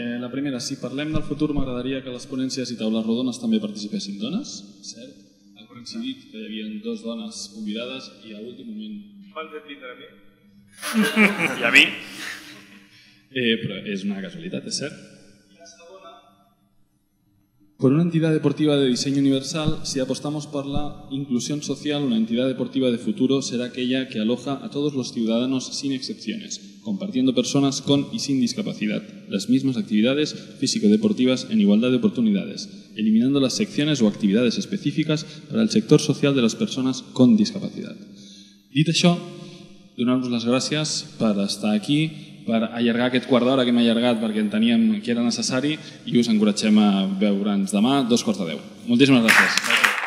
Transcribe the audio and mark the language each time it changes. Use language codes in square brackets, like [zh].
[ca] La primera, si parlem del futur, m'agradaria que les ponències i taules rodones també participessin dones, cert? Han coincidit que hi havia dues dones convidades i a l'últim moment... M'han fet vindre a mi? I a mi? Però és una casualitat, és cert? [es] Por una entidad deportiva de diseño universal, si apostamos por la inclusión social, una entidad deportiva de futuro será aquella que aloja a todos los ciudadanos sin excepciones, compartiendo personas con y sin discapacidad, las mismas actividades físico-deportivas en igualdad de oportunidades, eliminando las secciones o actividades específicas para el sector social de las personas con discapacidad. [ca] Dit això, donar-vos les gràcies per estar aquí, per allargar aquest quart d'hora que hem allargat perquè enteníem que era necessari, i us encoratgem a veure'ns demà 2:15. Moltíssimes gràcies.